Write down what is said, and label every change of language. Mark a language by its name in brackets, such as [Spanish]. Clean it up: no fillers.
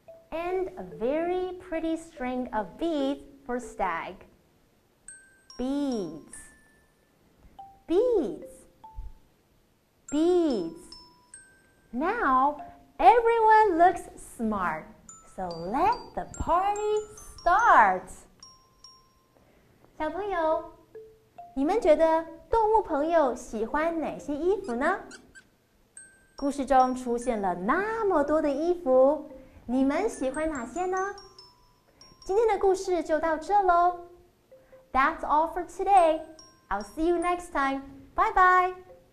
[English] And a very pretty string of beads for stag. Beads. Beads. Beads. Now everyone looks smart. So let the party start. [Chinese] 小朋友，你们觉得动物朋友喜欢哪些衣服呢？故事中出现了那么多的衣服。你们喜欢哪些呢？今天的故事就到这咯。 [English] That's all for today. I'll see you next time. Bye bye.